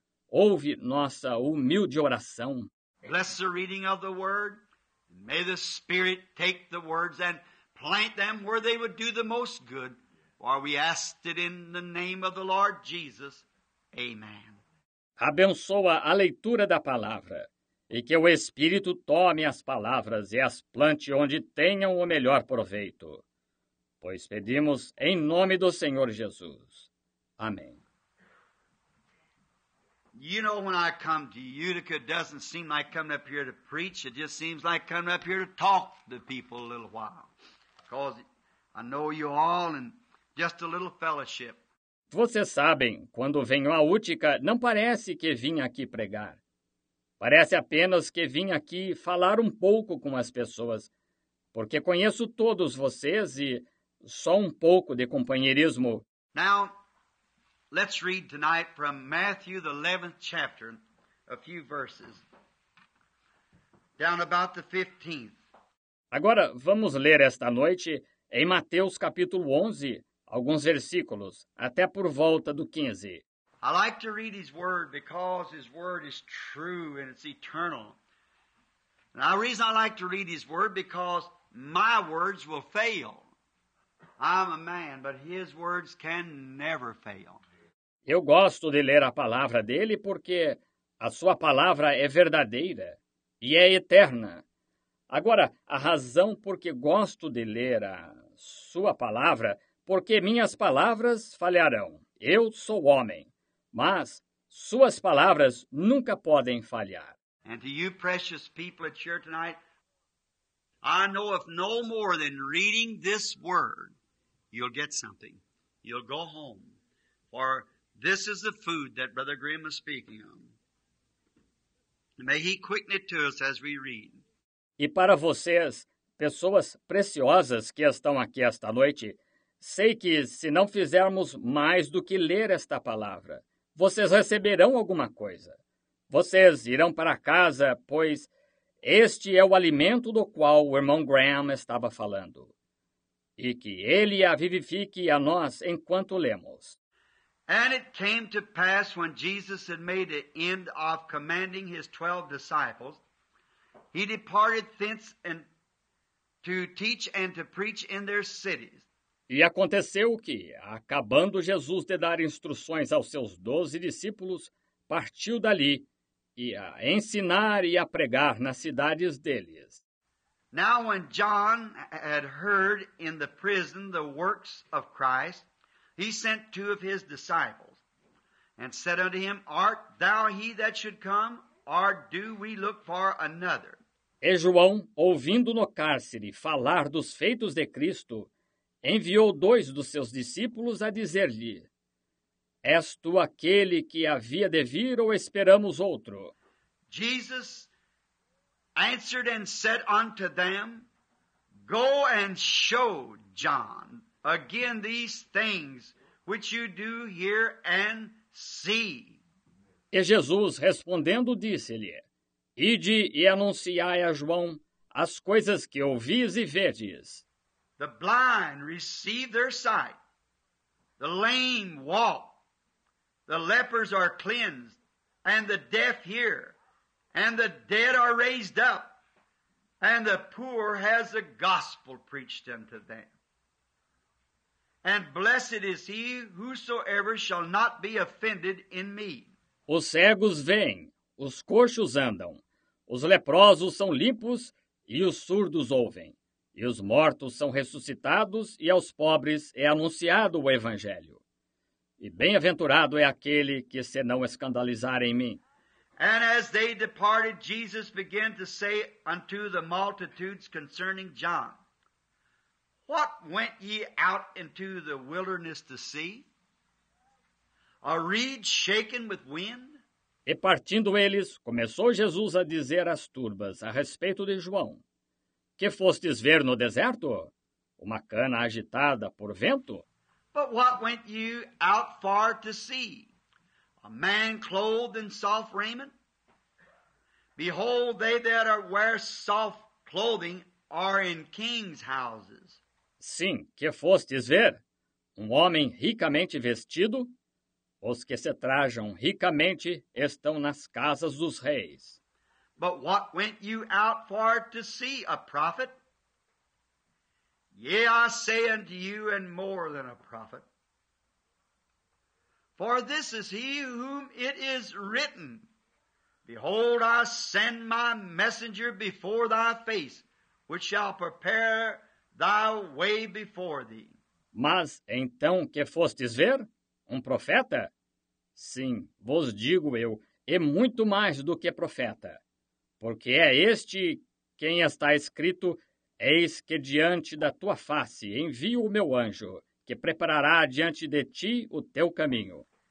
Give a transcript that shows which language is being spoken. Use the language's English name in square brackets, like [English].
[Portuguese] Ouve nossa humilde oração. [English] Bless the reading of the word. May the Spirit take the words and plant them where they would do the most good. For we ask it in the name of the Lord Jesus. Amen. [Portuguese] Abençoa a leitura da palavra. E que o Espírito tome as palavras e as plante onde tenham o melhor proveito. Pois pedimos em nome do Senhor Jesus. Amém. [English] You know, when I come to Utica, it doesn't seem like coming up here to preach. It just seems like coming up here to talk to people a little while. Because I know you all and just a little fellowship. [Portuguese] Vocês sabem, quando venho a Utica, não parece que vim aqui pregar. Parece apenas que vim aqui falar um pouco com as pessoas, porque conheço todos vocês e só um pouco de companheirismo. [English] Now, let's read tonight from Matthew, the 11th chapter, a few verses, down about the 15th. [Portuguese] Agora, vamos ler esta noite em Mateus capítulo 11, alguns versículos, até por volta do 15. [English] I like to read his word because his word is true and it's eternal. And the reason I like to read his word because my words will fail. I'm a man, but his words can never fail. [Portuguese] Eu gosto de ler a palavra dele porque a sua palavra é verdadeira e é eterna. Agora, a razão porque gosto de ler a sua palavra, porque minhas palavras falharão. Eu sou homem. Mas suas palavras nunca podem falhar. [English] And to you precious people at church tonight, I know if no more than reading this word, you'll get something. You'll go home. For this is the food that Brother Graham is speaking of. May he quicken it to us as we read. [Portuguese] E para vocês, pessoas preciosas que estão aqui esta noite, sei que se não fizermos mais do que ler esta palavra, vocês receberão alguma coisa. Vocês irão para casa, pois este é o alimento do qual o irmão Graham estava falando. E que ele a vivifique a nós enquanto lemos. [English] And it came to pass when Jesus had made the end of commanding his 12 disciples, he departed thence and to teach and to preach in their cities. [Portuguese] E aconteceu que, acabando Jesus de dar instruções aos seus 12 discípulos, partiu dali e a ensinar e a pregar nas cidades deles. [English] Now when John had heard in the prison the works of Christ, he sent two of his disciples and said unto him, Art thou he that should come, or do we look for another? [Portuguese] E João, ouvindo no cárcere falar dos feitos de Cristo, enviou dois dos seus discípulos a dizer-lhe, És tu aquele que havia de vir ou esperamos outro? [English] Jesus answered and said unto them, Go and show John again these things which you do hear and see. [Portuguese] E Jesus respondendo disse-lhe, Ide e anunciai a João as coisas que ouvis e vedes. [English] The blind receive their sight, the lame walk, the lepers are cleansed, and the deaf hear, and the dead are raised up, and the poor has the gospel preached unto them. And blessed is he whosoever shall not be offended in me. [Portuguese] Os cegos veem, os coxos andam, os leprosos são limpos e os surdos ouvem. E os mortos são ressuscitados e aos pobres é anunciado o Evangelho. E bem-aventurado é aquele que se não escandalizar em mim. [English] And as they departed, Jesus began to say unto the multitudes concerning John, What went ye out into the wilderness to see? A reed shaken with wind? [Portuguese] E partindo eles, começou Jesus a dizer às turbas a respeito de João. Que fostes ver no deserto? Uma cana agitada por vento? [English] But what went you out far to see? A man clothed in soft raiment? Behold, they that are wear soft clothing are in kings' houses. [Portuguese] Sim, que fostes ver? Um homem ricamente vestido? Os que se trajam ricamente estão nas casas dos reis. [English] But what went you out for to see, a prophet? Yea, I say unto you, and more than a prophet. For this is he whom it is written, Behold, I send my messenger before thy face, which shall prepare thy way before thee. [Portuguese] Mas então que fostes ver? Um profeta? Sim, vos digo eu, e muito mais do que profeta. Porque é este quem está escrito: eis que diante da tua face envio o meu anjo, que preparará diante de ti o teu caminho.